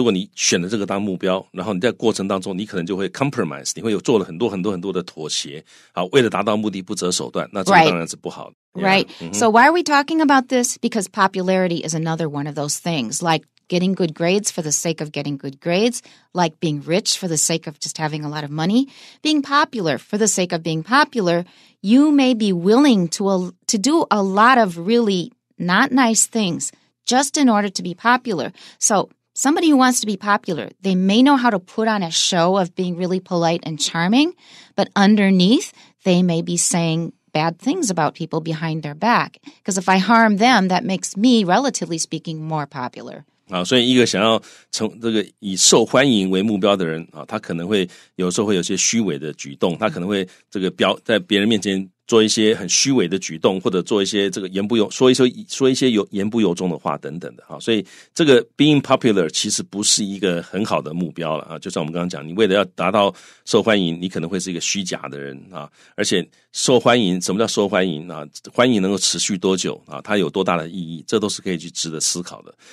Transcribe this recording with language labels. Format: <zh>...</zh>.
<zh>所以你如果设定目标的时候设错了目标，然后而且又为了追求那个目标，你愿意付出很多很多各种的代价的话，那这样子这个目标可能会带给你一些很负面的影响。所以例如说你的目标它其实不是那么值得追求的目标，结果你选了这个当目标，然后你在过程当中你可能就会 compromise， 你会有做了很多很多的妥协，为了达到目的不择手段，那这样当然是不好的。</zh> <en>Yeah. Right. Mm-hmm. So why are we talking about this? Because popularity is another one of those things, like getting good grades for the sake of getting good grades, like being rich for the sake of just having a lot of money. Being popular for the sake of being popular, you may be willing to do a lot of really not nice things just in order to be popular. So somebody who wants to be popular, they may know how to put on a show of being really polite and charming, but underneath, they may be saying bad things about people behind their back. Because if I harm them, that makes me, relatively speaking, more popular.</en> <zh>所以一个想要从这个以受欢迎为目标的人他可能会有时候会有些虚伪的举动，他可能会这个表在别人面前做一些很虚伪的举动，或者做一些这个言不由说一说说一些有言不由衷的话等等的，所以这个 being popular 其实不是一个很好的目标了，就像我们刚刚讲，你为了要达到受欢迎，你可能会是一个虚假的人，而且受欢迎，什么叫受欢迎，欢迎能够持续多久，它有多大的意义，这都是可以去值得思考的。</zh>